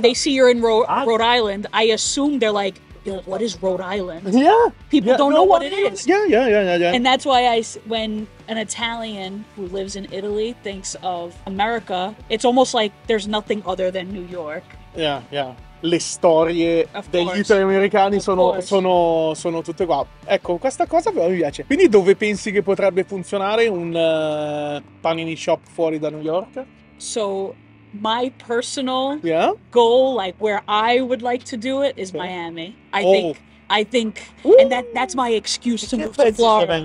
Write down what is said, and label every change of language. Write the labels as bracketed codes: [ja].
[en] They see you're in Rhode Island. I assume they're like, yo, what is Rhode Island? Yeah. People, yeah, don't, no, know what it is. Yeah. And that's why when an Italian who lives in Italy thinks of America, it's almost like there's nothing other than New York. Yeah, yeah. [it] Le storie degli italo-americani sono tutte qua. Ecco, questa cosa però mi piace. Quindi dove pensi che potrebbe funzionare un Panini Shop fuori da New York? [en] So, my personal, yeah, goal, like where I would like to do it, is, okay, Miami. I, oh, think, I think, and that's my excuse to move to Florida.